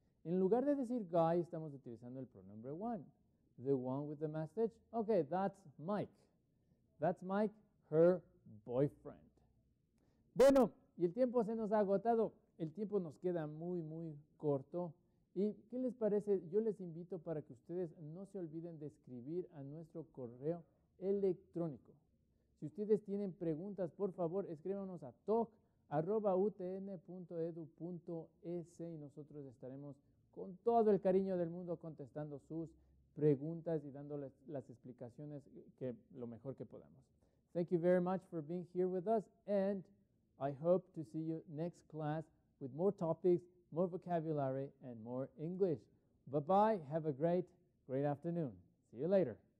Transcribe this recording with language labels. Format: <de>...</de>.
<es>En lugar de decir guy, estamos utilizando el pronombre one.</es> <en>The one with the mustache. Okay, that's Mike. That's Mike, her boyfriend.</en> <es>Bueno, y el tiempo se nos ha agotado. El tiempo nos queda muy, muy corto. ¿Y qué les parece? Yo les invito para que ustedes no se olviden de escribir a nuestro correo electrónico. Si ustedes tienen preguntas, por favor, escríbanos a talk@utn.edu.es y nosotros estaremos con todo el cariño del mundo contestando sus preguntas y dándoles las explicaciones que lo mejor que podamos.</es> <en>Thank you very much for being here with us and I hope to see you next class with more topics, more vocabulary, and more English. Bye-bye. Have a great afternoon. See you later.</en>